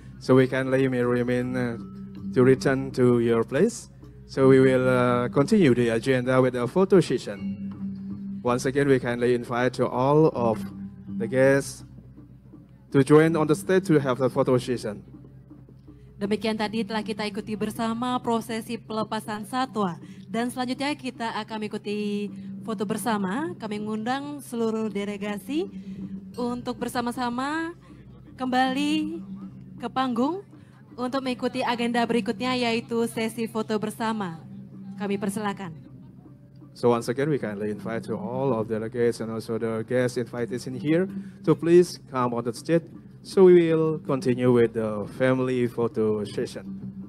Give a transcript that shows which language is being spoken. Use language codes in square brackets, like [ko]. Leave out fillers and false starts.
[en] So we can let you remain to return to your place. So we will continue the agenda with a photo session. Once again, we kindly invite to all of the guests to join on the stage to have the photo session. [id] Demikian tadi telah kita ikuti bersama prosesi pelepasan satwa. Dan selanjutnya kita akan ikuti foto bersama. Kami mengundang seluruh delegasi untuk bersama-sama kembali ke panggung untuk mengikuti agenda berikutnya, yaitu sesi foto bersama. Kami persilakan. [en] So once again, we kindly invite to all of the delegates and also the guests invited in here to please come on the stage. So we will continue with the family photo session.